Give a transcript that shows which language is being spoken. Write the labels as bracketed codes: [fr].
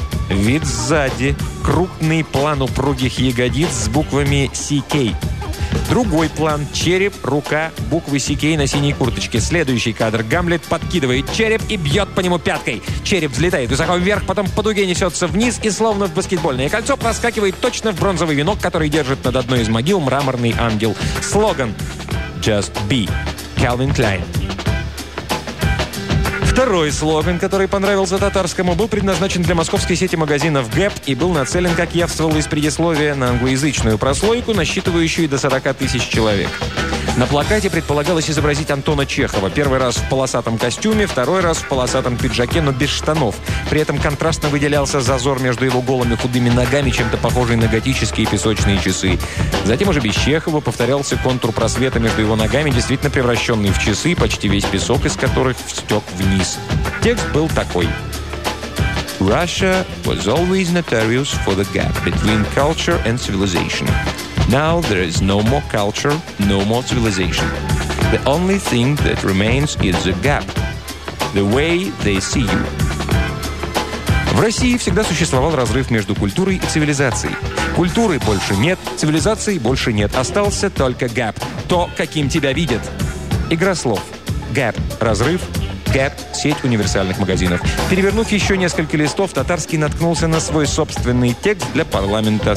[ru] Вид сзади. Крупный план упругих ягодиц с буквами «СиКей». Другой план. Череп, рука, буквы «СиКей» на синей курточке. Следующий кадр. Гамлет подкидывает череп и бьет по нему пяткой. Череп взлетает высоко вверх, потом по дуге несется вниз и словно в баскетбольное кольцо проскакивает точно в бронзовый венок, который держит над одной из могил мраморный ангел. Слоган [en] «Just be» [ru] – Calvin Klein. Второй слоган, который понравился татарскому, был предназначен для московской сети магазинов Gap и был нацелен, как явствовало из предисловия, на англоязычную прослойку, насчитывающую до 40 тысяч человек. На плакате предполагалось изобразить Антона Чехова. Первый раз в полосатом костюме, второй раз в полосатом пиджаке, но без штанов. При этом контрастно выделялся зазор между его голыми худыми ногами, чем-то похожий на готические песочные часы. Затем уже без Чехова повторялся контур просвета между его ногами, действительно превращенный в часы, почти весь песок из которых стек вниз. Текст был такой. [en] «Russia was always notorious for the gap between culture and civilization. Now there is no more culture, no more civilization. The only thing that remains is the gap. The way they see you». [ru] В России всегда существовал разрыв между культурой и цивилизацией. Культуры больше нет, цивилизации больше нет. Остался только gap. То, каким тебя видят. Игра слов. Gap – разрыв. Gap – сеть универсальных магазинов. Перевернув еще несколько листов, татарский наткнулся на свой собственный текст для парламента.